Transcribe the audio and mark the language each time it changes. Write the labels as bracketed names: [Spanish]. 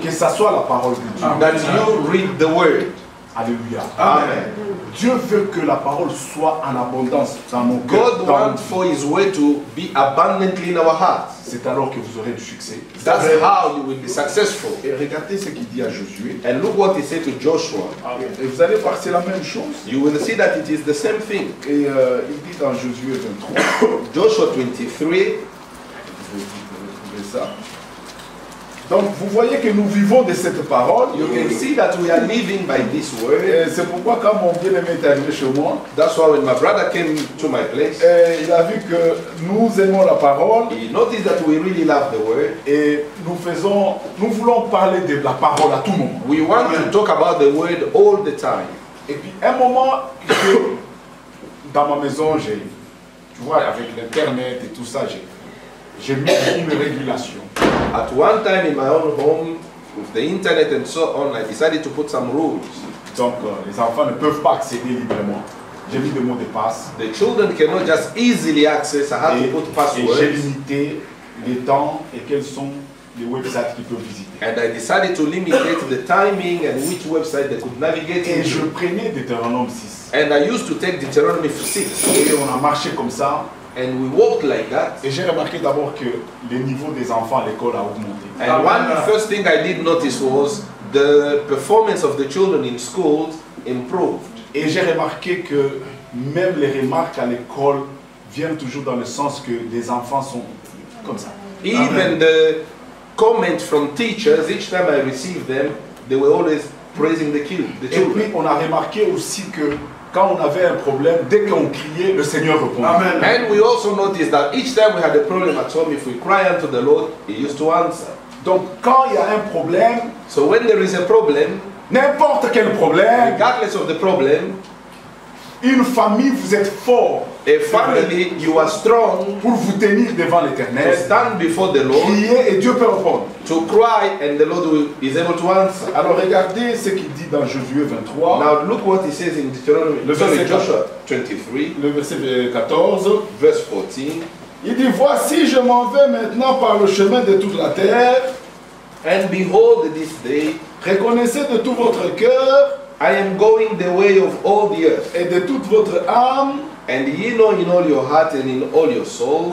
[French] que ça soit la parole de Dieu. [English] Amen. That you read the word. [French] Alléluia. [English] Amen. [French] Dieu veut que la parole soit en abondance dans nos cœurs. [English] God wants for His word to be abundantly in our hearts. [French] C'est alors que vous aurez du succès. [English] That's Amen. How you will be successful. [French] Et regardez ce qu'il dit à Josué. [English] And look what he said to Joshua. Amen. [French] Et vous allez voir, c'est la même chose. [English] You will see that it is the same thing. [French] Et il dit dans Josué 23. [English] Joshua 23. [French] Vous voyez ça. Donc vous voyez que nous vivons de cette parole. [English] You can see that we are living by this word. [French] C'est pourquoi quand mon bien-aimé est arrivé chez moi, [English] that's why when my brother came to my place, [French] il a vu que nous aimons la parole. [English] He noticed that we really love the word. [French] Et nous voulons parler de la parole à tout moment. [English] We want Amen. To talk about the word all the time. [French] Et puis un moment que dans ma maison j'ai, tu vois, avec l'internet et tout ça, j'ai mis une régulation. [English] At one time in my own home, with the internet and so on, I decided to put some rules. [French] Donc, les enfants ne peuvent pas accéder librement. J'ai mis des mots de passe. [English] The children cannot just easily access. I had to put passwords. [French] Et j'ai limité les temps et quels sont les websites qu'ils peuvent visiter. [English] And I decided to limit the timing and which website they could navigate. [French] Et je prenais Deutéronome 6. [English] And I used to take Deutéronome 6. [French] Et on a marché comme ça. [English] And we walked like that. [French] Et j'ai remarqué d'abord que le niveau des enfants à l'école a augmenté. [English] And one first thing I did notice was the performance of the children in schools improved. [French] Et j'ai remarqué que même les remarques à l'école viennent toujours dans le sens que les enfants sont comme ça. [English] Even the comments from teachers, each time I received them, they were always praising the kids. [French] Et puis on a remarqué aussi que quand on avait un problème, dès qu'on criait, le Seigneur répondait. [English] Amen. And we also noticed that each time we had a problem at home, if we cry unto the Lord, He used to answer. [French] Donc, quand il y a un problème, [English] so when there is a problem, [French] n'importe quel problème, [English] regardless of the problem, [French] une famille, vous êtes fort. [English] A family, you are strong. [French] Pour vous tenir devant l'Éternel. [English] To stand before the Lord. [French] Crier et Dieu peut répondre. [English] To cry and the Lord is able to answer. [French] Alors regardez ce qu'il dit dans Josué 23. [English] Now look what he says in Deuteronomy. [French] Le verset [English] Joshua 23. [French] Le verset 14. [English] Verse 14. [French] Il dit, voici je m'en vais maintenant par le chemin de toute la terre. [English] And behold this day. [French] Reconnaissez de tout votre cœur. [English] I am going the way of all the earth. [French] Et de toute votre âme. [English] And ye know in all your heart and in all your soul.